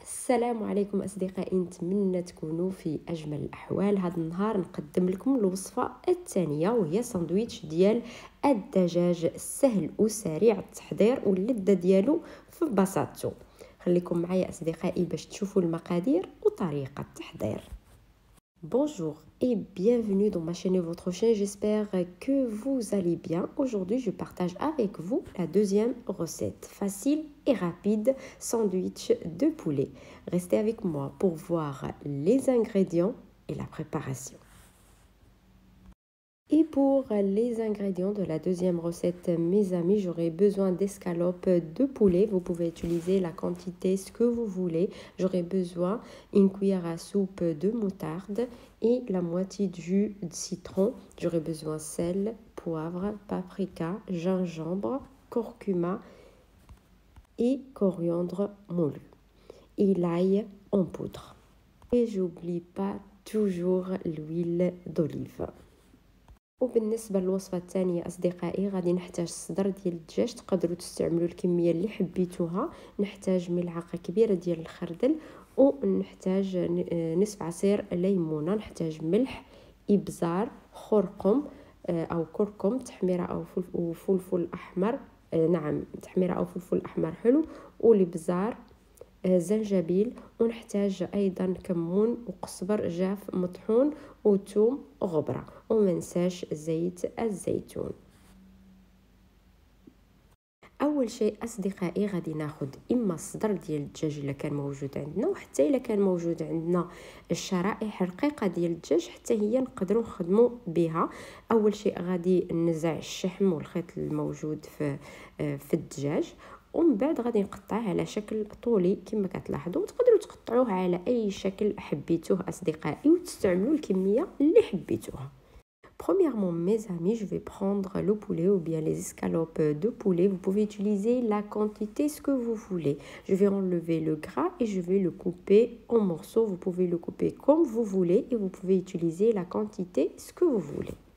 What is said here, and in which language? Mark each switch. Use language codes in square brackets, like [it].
[ar] السلام عليكم أصدقائي، نتمنى تكونوا في أجمل الأحوال. هذا النهار نقدم لكم الوصفة الثانية، وهي ساندويتش ديال الدجاج، سهل وسريع التحضير واللذة ديالو في بساطته. خليكم معايا أصدقائي باش تشوفوا المقادير وطريقة التحضير. [fr] Bonjour et bienvenue dans ma chaîne et votre chaîne. J'espère que vous allez bien. Aujourd'hui, je partage avec vous la deuxième recette facile et rapide sandwich de poulet. Restez avec moi pour voir les ingrédients et la préparation. Et pour les ingrédients de la deuxième recette, mes amis, j'aurai besoin d'escalopes de poulet. Vous pouvez utiliser la quantité, ce que vous voulez. J'aurai besoin d'une cuillère à soupe de moutarde et la moitié de jus de citron. J'aurai besoin de sel, poivre, paprika, gingembre, curcuma et coriandre moulu. Et l'ail en poudre. Et j'oublie pas toujours l'huile d'olive. [ar] وبالنسبة للوصفة الثانية أصدقائي، غادي نحتاج صدر ديال الدجاج. تقدروا تستعملوا الكمية اللي حبيتوها. نحتاج ملعقة كبيرة ديال الخردل، ونحتاج نصف عصير ليمونة، نحتاج ملح، إبزار، خرقم أو كركم، تحميرة أو فلفل أحمر، نعم تحميرة أو فلفل أحمر حلو، والإبزار، زنجبيل، ونحتاج أيضا كمون وقصبر جاف مطحون، وثوم غبرة، ومنساش زيت الزيتون. أول شيء أصدقائي، غادي ناخد إما صدر ديال الدجاج إلا كان موجود عندنا، وحتى إلا كان موجود عندنا الشرائح الرقيقة ديال الدجاج حتى هي نقدروا نخدموا بها. أول شيء غادي نزع الشحم والخيط الموجود في الدجاج، ومن بعد غادي نقطعه على شكل طولي كما كتلاحظوا. تقدروا تقطعوه على اي شكل حبيتوه اصدقائي، وتستعملوا الكميه اللي حبيتوها. [fr] Premièrement mes amis, je vais prendre le poulet ou bien les escalopes de poulet. Vous pouvez utiliser la quantité ce que vous voulez. Je vais enlever le gras et je vais le couper en morceaux. Vous pouvez le couper comme vous voulez et vous pouvez utiliser la quantité ce que vous voulez.